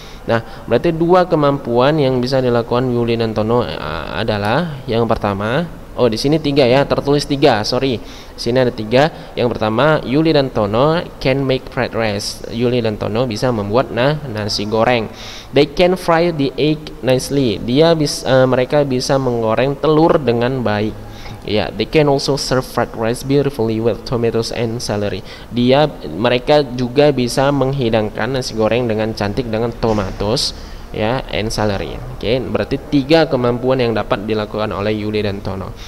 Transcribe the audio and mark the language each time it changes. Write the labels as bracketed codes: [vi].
[id] Nah, berarti dua kemampuan yang bisa dilakukan Yuli dan Tono adalah yang pertama, di sini tiga ya, tertulis tiga, sorry. Sini ada tiga. Yang pertama, Yuli dan Tono [en] can make fried rice. [id] Yuli dan Tono bisa membuat nasi goreng. [en] They can fry the egg nicely. [id] Mereka bisa menggoreng telur dengan baik. [en] Ya, yeah, they can also serve fried rice beautifully with tomatoes and celery. [id] Mereka juga bisa menghidangkan nasi goreng dengan cantik dengan tomatoes ya, [en] and celery. [id] Oke, okay, berarti tiga kemampuan yang dapat dilakukan oleh Yuli dan Tono.